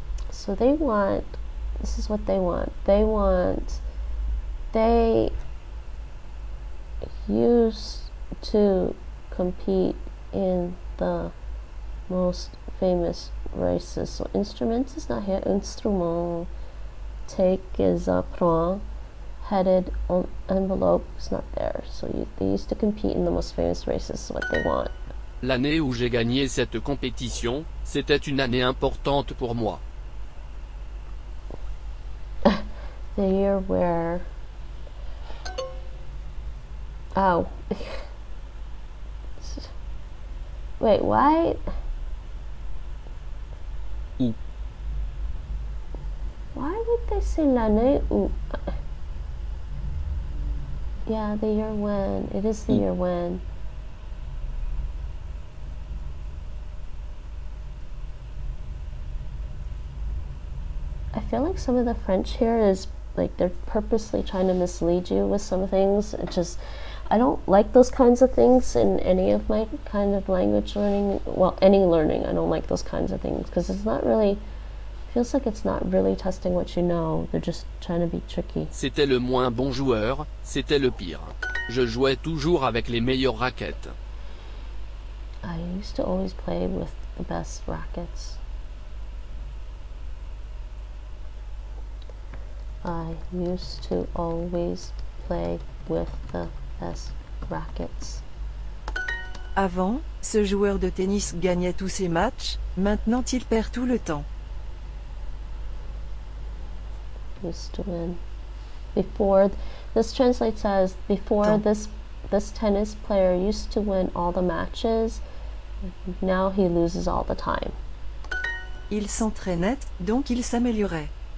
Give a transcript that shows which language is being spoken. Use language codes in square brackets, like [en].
[en] So they want, this is what they want. They want, they used to compete in the most famous races. So instrument is not here. Instrument, take is a prend. Headed envelope is not there. So they used to compete in the most famous races, is what they want. [fr] L'année où j'ai gagné cette compétition, c'était une année importante pour moi. [en] The year where Oh. Wait, why? [fr] Où? [en] Why would they say [fr] l'année ou? [en] Yeah, the year when. It is the year when. I feel like some of the French here is like they're purposely trying to mislead you with some things. It just, I don't like those kinds of things in any of my kind of language learning. Well, any learning, I don't like those kinds of things because it's not really, it feels like it's not really testing what you know. They're just trying to be tricky. [fr] C'était le moins bon joueur, c'était le pire. Je jouais toujours avec les meilleures raquettes. [en] I used to always play with the best rackets. I used to always play with the best rackets. [fr] Avant, ce joueur de tennis gagnait tous ses matchs, maintenant il perd tout le temps. [en] Used to win. Before, this translates as before this tennis player used to win all the matches, now he loses all the time. [fr] Il s'entraînait, donc il s'améliorait.